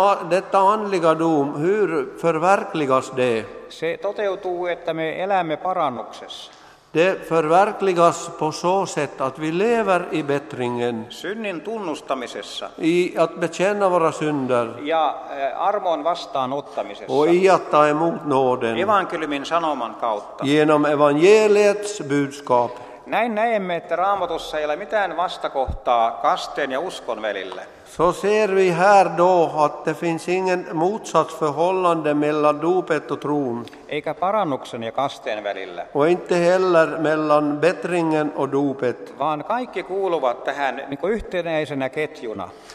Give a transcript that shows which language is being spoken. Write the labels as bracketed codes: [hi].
[sv] Detta andliga dom, hur förverkligas det? [fi] Se toteutuu, että me elämme parannuksessa. [sv] Det förverkligas på så sätt att vi lever i bättringen. [fi] Synnin tunnustamisessa. [sv] I att bekänna våra synder. [fi] Ja armon vastaanottamisessa. [sv] Och i att ta emot nåden. [fi] Evankeliumin sanoman kautta. [sv] Genom evangeliets budskap. [fi] Näin näemme, että Raamatussa ei ole mitään vastakohtaa kasteen ja uskon välillä. [sv] Så ser vi här då att det finns ingen motsatsförhållande mellan dopet och tron. [fi] Eikä parannuksen ja kasteen välillä. [sv] Och inte heller mellan bättringen och dopet. [fi] Vaan kaikki kuuluvat tähän niin yhteneisenä ketjuna.